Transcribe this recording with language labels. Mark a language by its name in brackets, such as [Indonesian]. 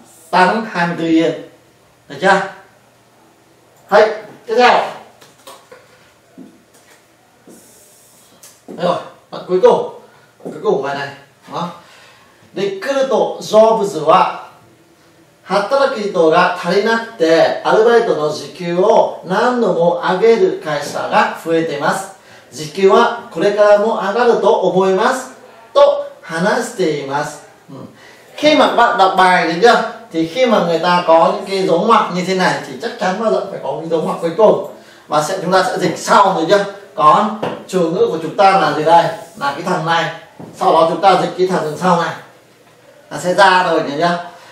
[Vietnamese] Tăng 24 yen. Được chưa? Hay, tiếp theo. Đây rồi, bạn cuối cùng. Cuối cùng bài này. Đó. Recruit jobs wa [Japanese] 働き人が足りなくてアルバイトの時給を何度も上げる会社が増えています。時給はこれからも上がると思いますと話しています。 [Vietnamese] Khi mà bạn đọc bài đấy chưa, thì khi mà người ta có những cái dấu ngoặc như thế này thì chắc chắn bao giờ phải có cái dấu ngoặc cuối cùng, và sẽ chúng ta sẽ dịch sau rồi chưa. Còn chủ ngữ của chúng ta là gì đây, là cái thằng này, sau đó chúng ta dịch cái thằng đằng sau này là sẽ ra rồi nhỉ nhá.